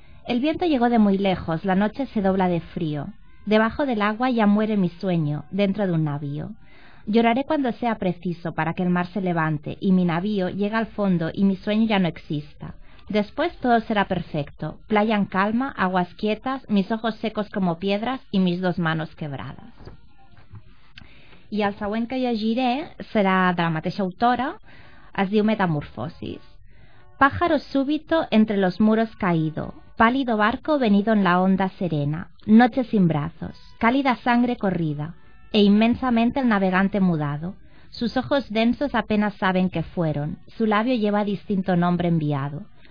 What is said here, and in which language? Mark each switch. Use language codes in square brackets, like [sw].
[es] El viento llegó de muy lejos, la noche se dobla de frío. Debajo del agua ya muere mi sueño, dentro de un navío. Lloraré cuando sea preciso para que el mar se levante y mi navío llegue al fondo y mi sueño ya no exista. Después todo será perfecto, playa en calma, aguas quietas, mis ojos secos como piedras y mis dos manos quebradas. [ca] I el següent que llegiré serà de la mateixa autora, es diu Metamorfosis. [es] Pájaro súbito entre los muros caído, pálido barco venido en la onda serena, noche sin brazos, cálida sangre corrida, e inmensamente el navegante mudado. Sus ojos densos apenas saben que fueron, su labio lleva distinto nombre enviado.